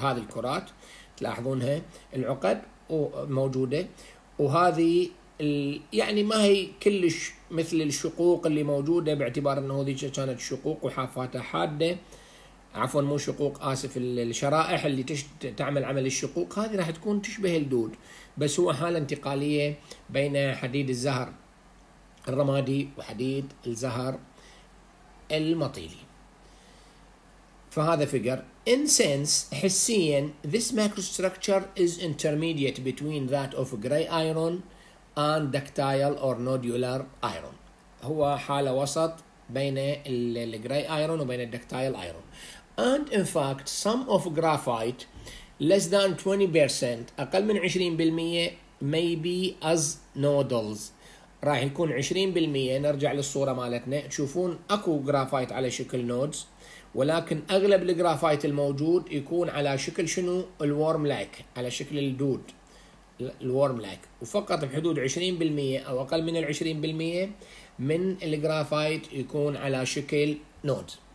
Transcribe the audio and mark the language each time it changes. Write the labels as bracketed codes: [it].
[ar] هذه الكرات تلاحظونها العقد موجوده، وهذه يعني ما هي كلش مثل الشقوق اللي موجوده باعتبار انه ذيك كانت شقوق وحافاتها حاده، عفوا مو شقوق، اسف، الشرائح اللي تعمل عمل الشقوق، هذه راح تكون تشبه الدود، بس هو حاله انتقاليه بين حديد الزهر الرمادي وحديد الزهر المطيلي. فهذا فيجر. [en] In sense, [ar] حسيا [en] this microstructure is intermediate between that of gray iron and ductile or nodular iron. [ar] هو حالة وسط بين ال gray iron وبين ال ductile iron. [en] And in fact, some of graphite less than 20%, [ar] أقل من 20%, [en] may be as nodules. [ar] راح يكون 20%. نرجع للصورة مالتنا، تشوفون أكو جرافايت على شكل نودز، ولكن أغلب الجرافايت الموجود يكون على شكل شنو؟ الورم لايك، على شكل الدود الورم لايك. وفقط بحدود 20% أو أقل من 20% من الجرافايت يكون على شكل نود.